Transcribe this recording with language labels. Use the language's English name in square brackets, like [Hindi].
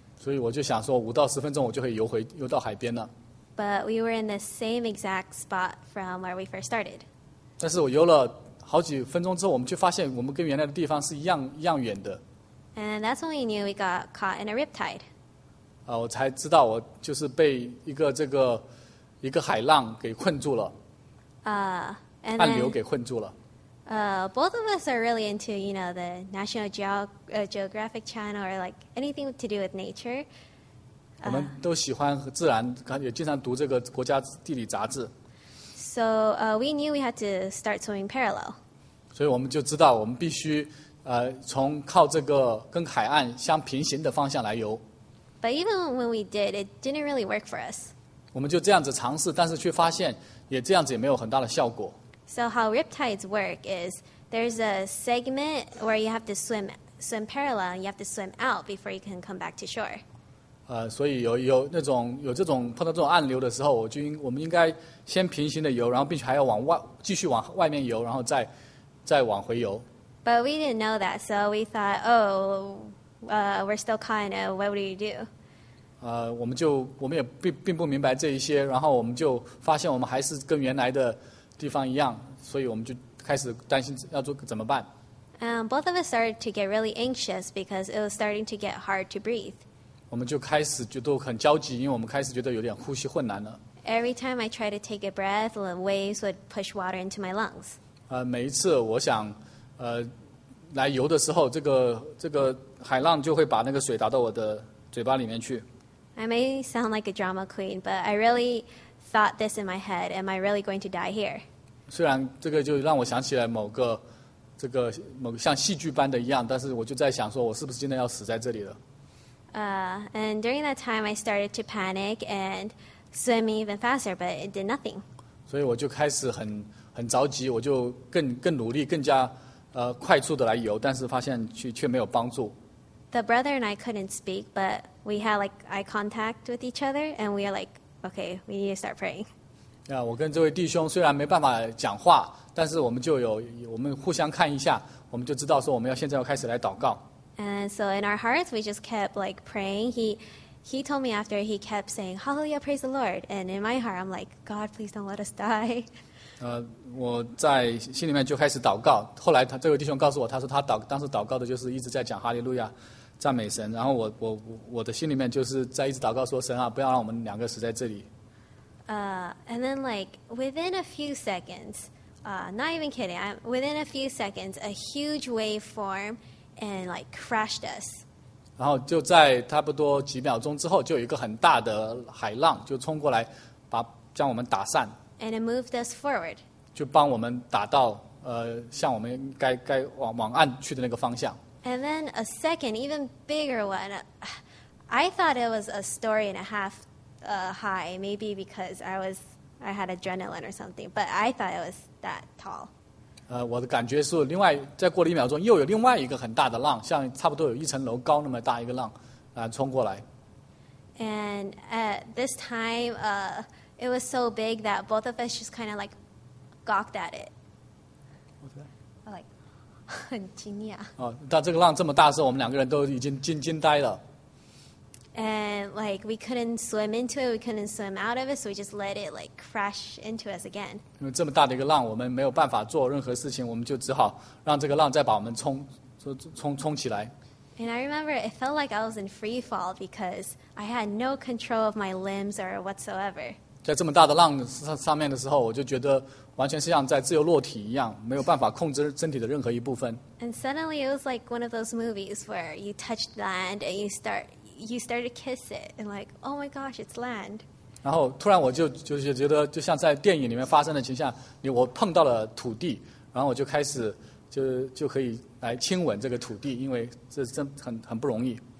[Chinese] 所以我就想说，5到10分钟我就可以游到海边了。 [English] But we were in the same exact spot from where we first started. [Chinese] 但是我游了好几分钟之后，我们就发现我们跟原来的地方是一样远的。 [English] And that's when we knew we got caught in a riptide. [Chinese] 我才知道我就是被一个海浪给困住了。暗流给困住了。 [English] Both of us are really into, you know, the National Geographic Channel or like anything to do with nature. [Chinese] 我们都喜欢自然，也经常读这个国家地理杂志。 [English] So, we knew we had to start swimming parallel. [Chinese] 所以我们就知道，我们必须，从靠这个跟海岸相平行的方向来游。 [English] But even when we did, it didn't really work for us. [Chinese] 我们就这样子尝试，但是却发现，也这样子也没有很大的效果。 [English] So how riptides work is there's a segment where you have to swim parallel, and you have to swim out before you can come back to shore. [Chinese] 所以有这种碰到这种暗流的时候，我们应该先平行的游，然后并且还要继续往外面游，然后再往回游。 [English] But we didn't know that, so we thought, we're still kind of, what would you do? [Chinese] 我们也并不明白这一些，然后我们就发现我们还是跟原来的地方一样，所以我们就开始担心要做怎么办。 [English] Both of us started to get really anxious because it was starting to get hard to breathe. [Chinese] 我们就开始觉得很焦急，因为我们开始觉得有点呼吸困难了。 [English] Every time I try to take a breath, the waves would push water into my lungs. [Chinese] 每一次我想，来游的时候，这个海浪就会把那个水打到我的嘴巴里面去。 [English] I may sound like a drama queen, but I really thought this in my head: Am I really going to die here? [Chinese] 虽然这个就让我想起来某个像戏剧般的一样，但是我就在想，说我是不是今天要死在这里了？ [English] And during that time, I started to panic and swim even faster, but it did nothing. [Chinese] 所以我就开始很着急，我就更努力，更加快速的来游，但是发现却没有帮助。 [English] The brother and I couldn't speak, but we had like eye contact with each other, and we are like, okay, we need to start praying. [Chinese] 我跟这位弟兄虽然没办法讲话，但是我们互相看一下，我们就知道说我们现在要开始来祷告。 [English] And so in our hearts, we just kept like praying. He told me after he kept saying, "Hallelujah, praise the Lord." And in my heart, I'm like, "God, please don't let us die." [Chinese] 我在心里面就开始祷告。后来这位弟兄告诉我，他说他当时祷告的就是一直在讲哈利路亚，赞美神。然后我的心里面就是在一直祷告说，神啊，不要让我们两个死在这里。 [English] And then like within a few seconds, not even kidding, within a few seconds, a huge waveform. And like crashed us. [Chinese] 然后就在差不多几秒钟之后，就有一个很大的海浪就冲过来，将我们打散。 [English] And it moved us forward. [Chinese] 就帮我们打到向我们该往岸去的那个方向。 [English] And then a second, even bigger one, I thought it was a story and a half high, maybe because I had adrenaline or something, but I thought it was that tall. [Chinese] 我的感觉是另外再过了一秒钟又有另外一个很大的浪像差不多有一层楼高那么大一个浪冲过来。 [English] And at this time, it was so big that both of us just kind of like gawked at it. What's that? [Chinese] 很惊讶。哦，但这个浪这么大的时候，我们两个人都已经惊呆了。 [English] And like we couldn't swim into it, we couldn't swim out of it, so we just let it like crash into us again. [Chinese] 因为这么大的一个浪，我们没有办法做任何事情，我们就只好让这个浪再把我们冲起来。 [English] And I remember it felt like I was in free fall because I had no control of my limbs or whatsoever. [Chinese] 在这么大的浪上面的时候，我就觉得完全是像在自由落体一样，没有办法控制身体的任何一部分。 [English] And suddenly it was like one of those movies where you touch land and you start to kiss it and like, oh my gosh, it's land. [Chinese] 然后突然我就觉得就像在电影里面发生的情况，我碰到了土地，然后我就开始就可以来亲吻这个土地，因为这真很不容易。